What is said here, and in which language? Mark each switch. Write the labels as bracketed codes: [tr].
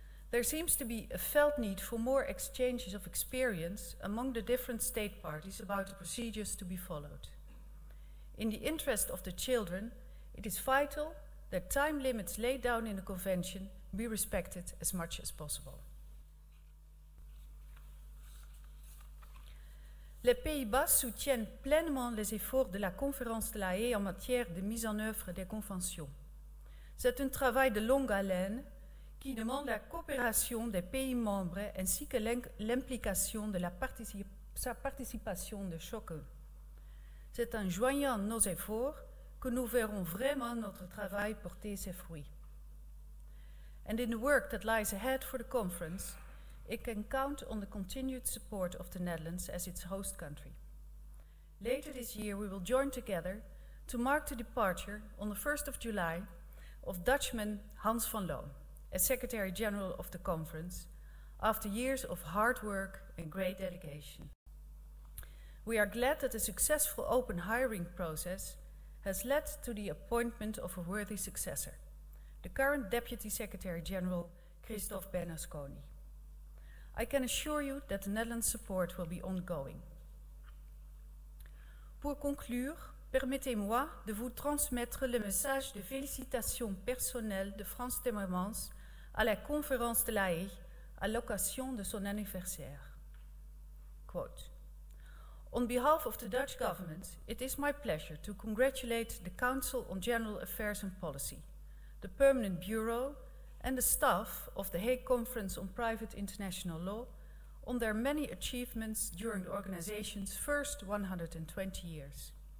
[en] There seems to be a felt need for more exchanges of experience among the different state parties about the procedures to be followed. In the interest of the children, it is vital that time limits laid down in the convention be respected as much as possible. [fr] Les Pays-Bas soutiennent pleinement les efforts de la conférence de La Haye en matière de mise en œuvre des conventions. C'est un travail de longue haleine qui demande la coopération des pays membres ainsi que l'implication de sa participation de chacun. C'est en joignant nos efforts que nous verrons vraiment notre travail porter ses fruits. [en] And in the work that lies ahead for the conference, it can count on the continued support of the Netherlands as its host country. Later this year, we will join together to mark the departure on the 1st of July of Dutchman Hans van Loon as Secretary General of the conference after years of hard work and great dedication. We are glad that the successful open hiring process has led to the appointment of a worthy successor, the current Deputy Secretary General Christophe Bernasconi. I can assure you that the Netherlands support will be ongoing. [fr] Pour conclure, permettez-moi de vous transmettre le message de félicitations personnelles de Frans Timmermans à la conférence de La Haye à l'occasion de son anniversaire. [en] Quote, on behalf of the Dutch government, it is my pleasure to congratulate the Council on General Affairs and Policy, the Permanent Bureau, and the staff of the Hague Conference on Private International Law on their many achievements during the organization's first 120 years.